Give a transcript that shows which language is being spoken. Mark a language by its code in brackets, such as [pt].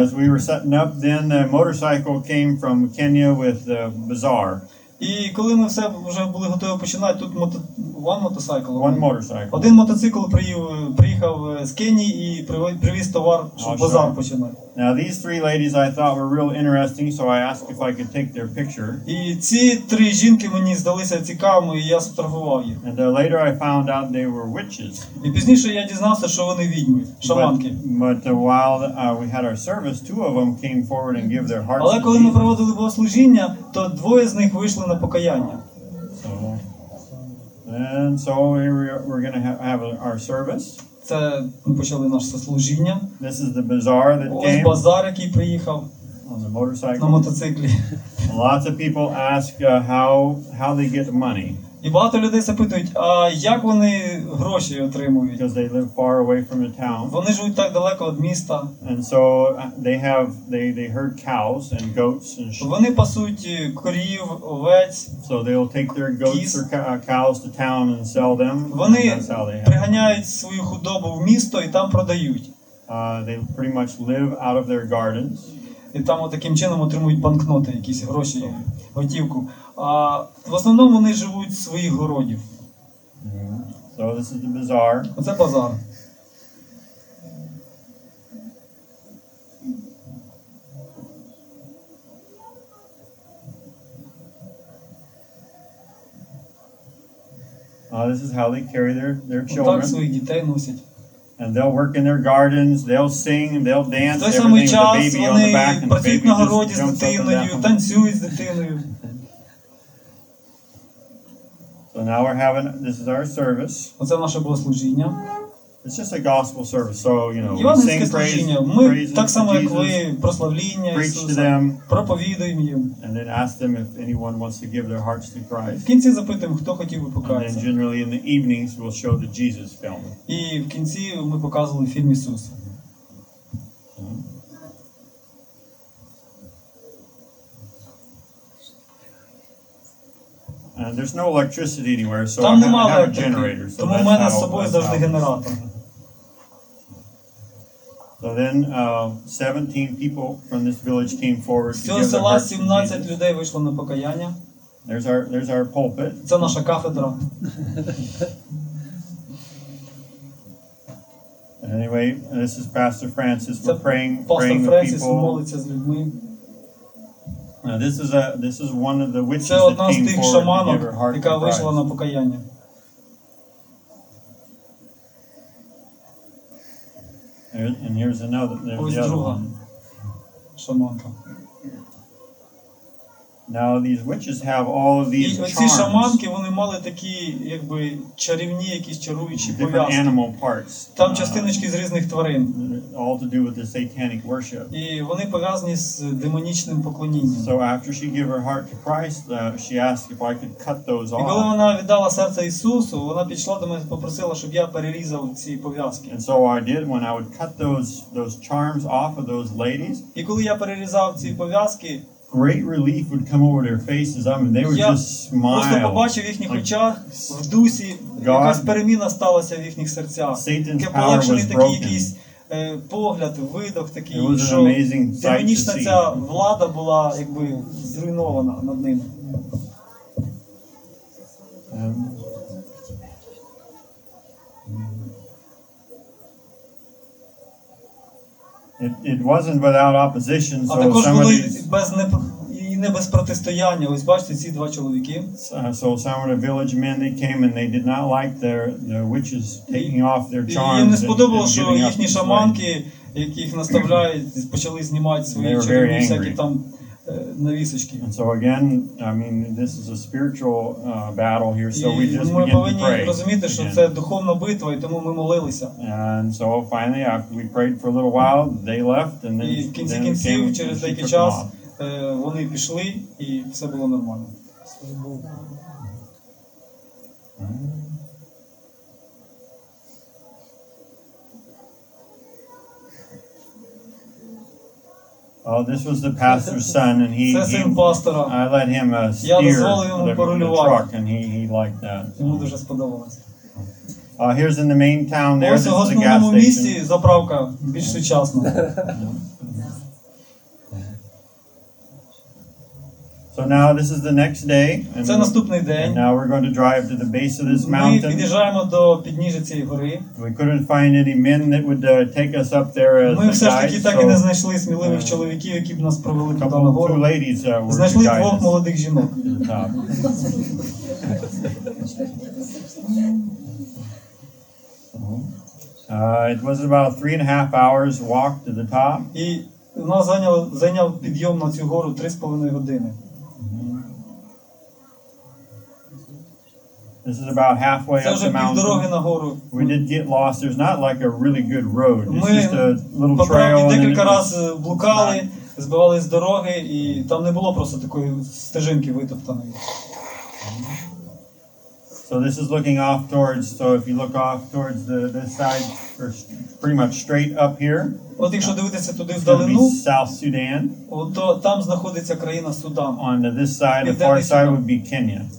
[en] And as we were setting up, then the motorcycle came from Kenya with the bazaar. [uk] І коли ми все вже були готові починати, тут [en] one motorcycle. [uk] Один мотоцикл приїхав з Кенії і привіз товар, щоб базар починати. [en] Now these three ladies I thought were real interesting, so I asked if I could take their picture. [uk] І ці три жінки мені здалися цікавими, і я сфотографував їх. [en] And later I found out they were witches. [uk] І пізніше я дізнався, що вони відьми, шаманки. [en] But while we had our service, two of them came forward and gave their hearts. [uk] Але коли ми проводили богослужіння, то двоє з них вийшли на покаяння. [en] And so we're going to have our service. [uk] Це ми почали наше служіння. [en] This is the bazaar that [uk] Ось [en] came. [uk] Ось базар, який приїхав. [en] On the motorcycle. [uk] На мотоциклі. [en] Lots of people ask how they get money. [uk] І багато людей запитують, а як вони гроші отримують? [en] Because they live far away from the town. [uk] Вони живуть так далеко від міста. [en] And so they herd cows and goats and sheep. [uk] Вони пасуть корів, овець. [en] So they'll take their goats or cows to town and sell them. [uk] Вони приганяють свою худобу в місто і там продають. [en] They pretty much live out of their gardens. [uk] І там таким чином отримують банкноти, якісь гроші, готівку. А в основному вони живуть в своїх городів. [en] So this is the bazaar. [uk] Оце базар. [en] This is how they carry their children. [uk] Так своїх дітей носять. [en] And they'll work in their gardens, they'll sing, they'll dance, everything with the baby on the back, and the baby just jumps up and down. [uk] На городі з дитиною, танцюють з дитиною. [en] So now we're having, this is our service. [uk] Оце наше богослужіння. [en] It's just a gospel service, so, you know, we sing praise, [uk] ми так само, як ви, прославління Ісуса, проповідуємо їм. [en] And then ask them if anyone wants to give their hearts to Christ. [uk] В кінці запитуємо, хто хотів би покаятися. [en] And then generally in the evenings we'll show the Jesus film. [uk] І в кінці ми показували фільм Ісуса. [en] And there's no electricity anywhere, so [uk] там [en] I don't have a generator, so [uk] тому [en] that's [uk] у мене з собою завжди генератор. [en] So then 17 people from this village came forward. [uk] Всього села 17 людей вийшло на покаяння. [en] There's our pulpit. [uk] Це наша кафедра. [en] Anyway, this is Pastor Francis. We're praying with people. [uk] Pastor Francis молиться з людьми. [en] Now, this is one of the witches that came forward to give her heart to Christ. [uk] Вийшла на покаяння. [en] And here's another. [uk] Шаманка. [en] Now these witches have all of these charms. [uk] І ці шаманки, вони мали такі, якби, чарівні якісь чаруючі пов'язки. [en] Different animal parts. [uk] Там частиночки з різних тварин. [en] All to do with the satanic worship. [uk] І вони пов'язані з демонічним поклонінням. [en] So after she gave her heart to Christ, she asked if I could cut those off. [uk] І коли вона віддала серце Ісусу, вона пішла до мене і попросила, щоб я перерізав ці пов'язки. [en] And so I did when I would cut those charms off of those ladies. [uk] І коли я перерізав ці пов'язки, [en] great relief would come over their faces. I mean, they would just smile. [uk] Просто побачив їхніх очах, в дусі, якась переміна сталася в їхніх серцях. [en] Satan's power was broken. [uk] Такий якийсь погляд, видох такий, що демонічна ця влада була, якби, зруйнована над ними. [en] It wasn't without opposition, so some of the village men, they came and they did not like their witches taking off their charms. [uk] Їм не сподобалося, що їхні шаманки, яких наставляють, почали знімати свої чарівні всякі там навісочки. [en] And so again, I mean, this is a spiritual battle here, so we just begin to pray. [uk] Ми повинні розуміти, що це духовна битва, і тому ми молилися. [en] And so finally, after we prayed for a little while, they left, and then [uk] в кінці кінців, через деякий час, вони пішли, і все було нормально. [en] Oh, this was the pastor's son, and he [uk] pastora. [en] I let him steer the truck, and he liked that. [uk] Йому дуже сподобалося. [en] Oh, here's in the main town there, this is a gas station. [uk] Місті заправка більш сучасна. [en] So now this is the next day, and [uk] це наступний день. [en] Now we're going to drive to the base of this mountain. [uk] Ми під'їжджаємо до підніжжя цієї гори. [en] We couldn't find any men that would take us up there as guides. [uk] Ми все ж таки [en] guide, [uk] так і не знайшли сміливих чоловіків, які б нас провели туди на гору. [en] Two ladies, [uk] знайшли двох молодих жінок. [en] It was about 3.5 hours walk to the top. [uk] І нас зайняв підйом на цю гору 3.5 години. [en] This is about halfway up the mountain. We did get lost. There's not like a really good road. It's just a little trail. [uk] Ми декілька раз блукали, збивали з дороги, і там не було просто такої стежинки витоптаної. [en] So this is looking off towards, so if you look off towards the side, pretty much straight up here. [uk] От якщо дивитися туди вдалину, [en] South Sudan. [uk] От то там знаходиться країна Судан. [en] On this side, the far side would be Kenya.